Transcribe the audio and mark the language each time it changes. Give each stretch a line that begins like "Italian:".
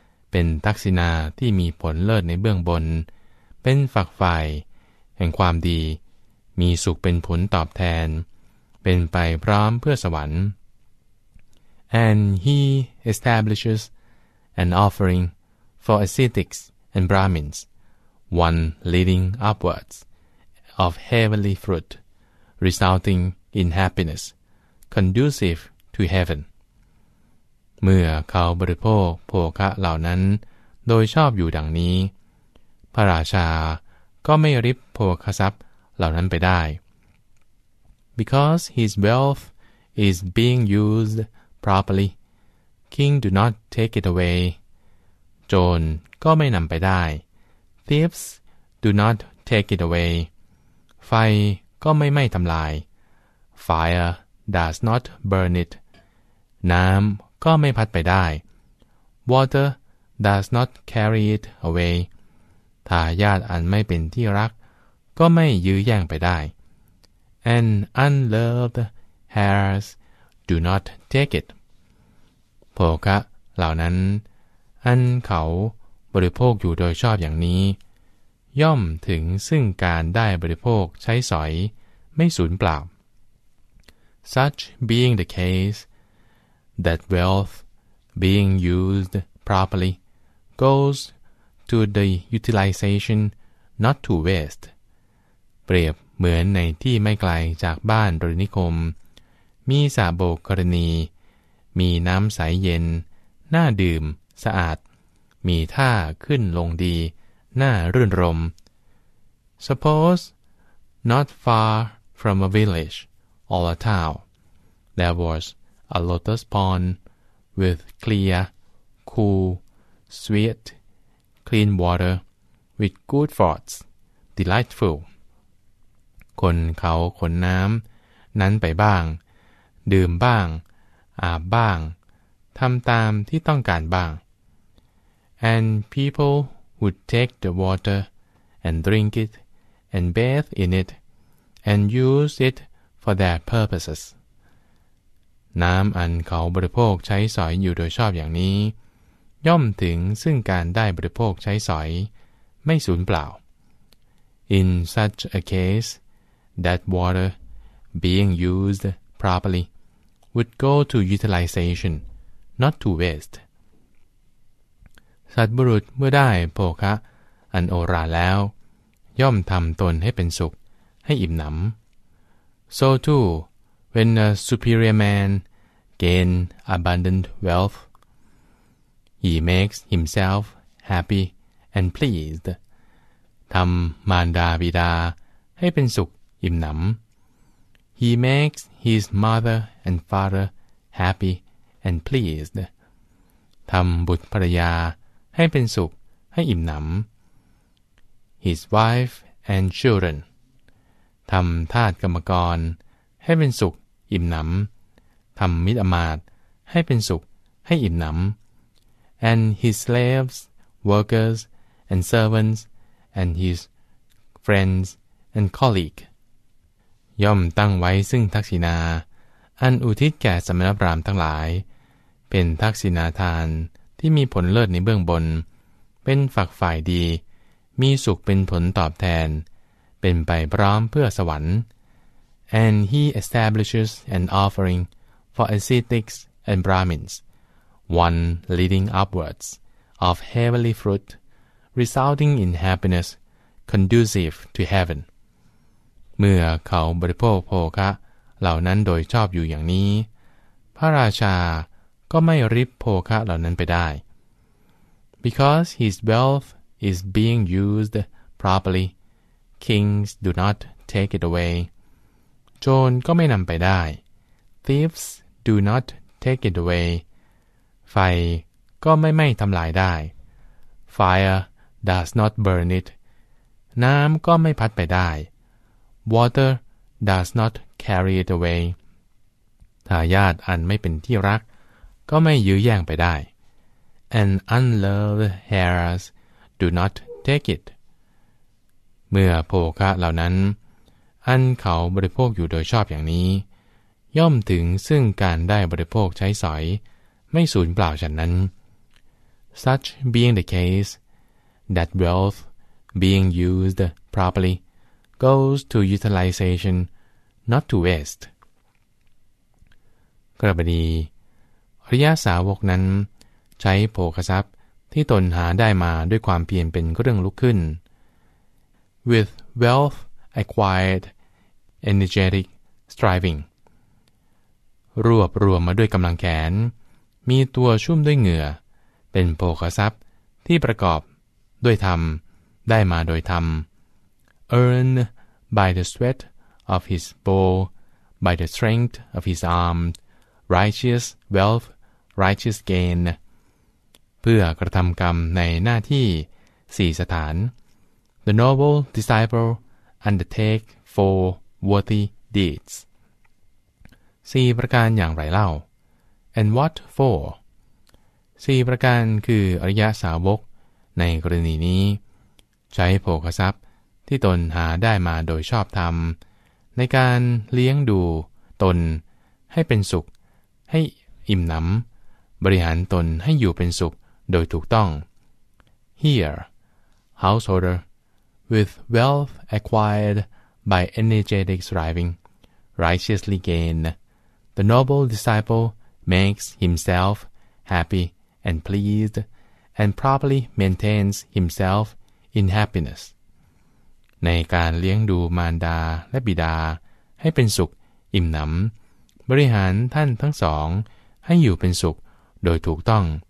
Thai: เป็นทักษิณาที่มีผลเลิศในเบื้องบนเป็นฝักใฝ่แห่งความดีมีสุขเป็นผลตอบแทนเป็นไปพร้อมเพื่อสวรรค์
English: And he establishes an offering for ascetics and Brahmins, one leading upwards of heavenly fruit, resulting in happiness, conducive to heaven.
Thai: เมื่อเขาบริโภคโภคะเหล่านั้นโดยชอบอยู่ดังนี้พระราชาก็ไม่ริบโภคทรัพย์เหล่านั้นไปได้
English: Because his wealth is being used properly, king do not take it away.
Thai: โจรก็ไม่นำไปได้
English: Thieves do not take it away.
Thai: ไฟก็ไม่ไหม้ทำลาย
English: Fire does not burn it.
Thai: น้ำก็ไม่พัดไปได้
English: Water does not carry it away.
Thai: ทายาทอันไม่เป็นที่รักก็ไม่ยื้อแย่งไปได้
English: And unloved heirs do not take it.
Thai: โภคะเหล่านั้นอันเขาบริโภคอยู่โดยชอบอย่างนี้ย่อมถึงซึ่งการได้บริโภคใช้สอยไม่สูญเปล่า
English: Such being the caseThat wealth, being used properly, goes to the utilization, not to waste.
Thai: เปรียบเหมือนในที่ไม่ไกลจากบ้านรินิคมมีสระโบกกรณีมีน้ำใสเย็นน่าดื่มสะอาดมีท่าขึ้นลงดีน่ารื่นรม
English: Suppose, not far from a village or a town, there wasA lotus pond with clear, cool, sweet, clean water with good thoughts, delightful.
Thai: คนเขาขนน้ำนั้นไปบ้างดื่มบ้างอาบบ้างทำตามที่ต้องการบ้าง
English: And people would take the water and drink it and bathe in it and use it for their purposes.
Thai: น้ำอันเขาบริโภคใช้สอยอยู่โดยชอบอย่างนี้ย่อมถึงซึ่งการได้บริโภคใช้สอยไม่สูญเปล่า
English: In such a case, that water, being used properly, would go to utilization, not to waste.
Thai: สัตบุรุษเมื่อได้โภคะอันโอฬารแล้วย่อมทำตนให้เป็นสุขให้อิ่มหนำ
English: So tooWhen a superior man gains abundant wealth, he makes himself happy and pleased.
Thai: ทำมารดาบิดาให้เป็นสุขอิ่มหนำ
English: He makes his mother and father happy and pleased.
Thai: ทำบุตรภรรยาให้เป็นสุขให้อิ่มหนำ
English: his wife and children.
Thai: ทำทาสกรรมกรให้เป็นสุขอิ่มหนำทำมิตรอมาตย์ให้เป็นสุขให้อิ่มหนำ
English: and his slaves, workers, and servants, and his friends and colleague.
Thai: ย่อมตั้งไว้ซึ่งทักษิณาอันอุทิศแก่สมณพราหมณ์ทั้งหลายเป็นทักษิณาทานที่มีผลเลิศในเบื้องบนเป็นฝักฝ่ายดีมีสุขเป็นผลตอบแทนเป็นไปพร้อมเพื่อสวรรค์
English: and he establishes an offering for ascetics and Brahmins, one leading upwards of heavenly fruit, resulting in happiness conducive to heaven.
Thai: เมื่อเขาบริโภคโภคะเหล่านั้นโดยชอบอยู่อย่างนี้พระราชาก็ไม่ริบโภคะเหล่านั้นไปได้
English: Because his wealth is being used properly, kings do not take it away.
Thai: โจรก็ไม่นำไปได้
English: Thieves do not take it away.
Thai: ไฟก็ไม่ทำลายได้
English: Fire does not burn it.
Thai: น้ำก็ไม่พัดไปได้
English: Water does not carry it away.
Thai: ทายาทอันไม่เป็นที่รักก็ไม่ยื้อแย่งไปได้
English: and unloved heirs do not take it.
Thai: เมื่อโภคะเหล่านั้นอันเขาบริโภคอยู่โดยชอบอย่างนี้ย่อมถึงซึ่งการได้บริโภคใช้สอยไม่สูญเปล่าฉันนั้น
English: such being the case that wealth being used properly goes to utilization not to waste.
Thai: กระบดีอริยสาวกนั้นใช้โภคทรัพย์ที่ตนหาได้มาด้วยความเพียรเป็นเรื่องลุกขึ้น
English: With wealth acquired, energetic striving.
Thai: รวบรวมมาด้วยกำลังแขนมีตัวชุ่มด้วยเหงื่อเป็นโภคทรัพย์ที่ประกอบด้วยธรรมได้มาโดยธรรม
English: Earned by the sweat of his brow, by the strength of his arm. Righteous wealth, righteous gain.
Thai: เพื่อกระทำกรรมในหน้าที่สี่สถาน
English: The noble disciple undertake four worthy deeds.
Thai: สี่ประการอย่างไรเล่า
English: And what for?
Thai: สี่ประการคืออริยสาวกในกรณีนี้ใช้โภคทรัพย์ที่ตนหาได้มาโดยชอบธรรมในการเลี้ยงดูตนให้เป็นสุขให้อิ่มหนำบริหารตนให้อยู่เป็นสุขโดยถูกต้อง
English: Here, householder, with wealth acquired by energetic striving, righteously gained, the noble disciple makes himself happy and pleased and properly maintains himself in happiness.
Thai: ในการเลี้ยงดูมารดาและบิดาให้เป็นสุขอิ่มหนำบริหารท่านทั้งสองให้อยู่เป็นสุขโดยถูกต้อง